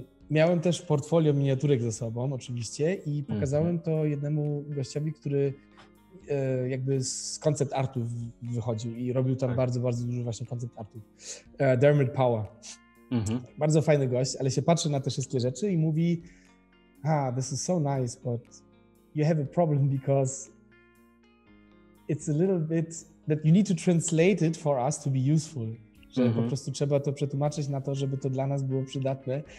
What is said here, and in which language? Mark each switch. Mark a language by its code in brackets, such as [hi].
[pl] Miałem też portfolio miniaturek ze sobą oczywiście i pokazałem to jednemu gościowi, który jakby z concept artów wychodził i robił tam bardzo, bardzo dużo właśnie concept artów. Dermot Power. Bardzo fajny gość, ale się patrzy na te wszystkie rzeczy i mówi, [en] Ah, this is so nice, but you have a problem because it's a little bit that you need to translate it for us to be useful. [pl] Że po prostu trzeba to przetłumaczyć na to, żeby to dla nas było przydatne.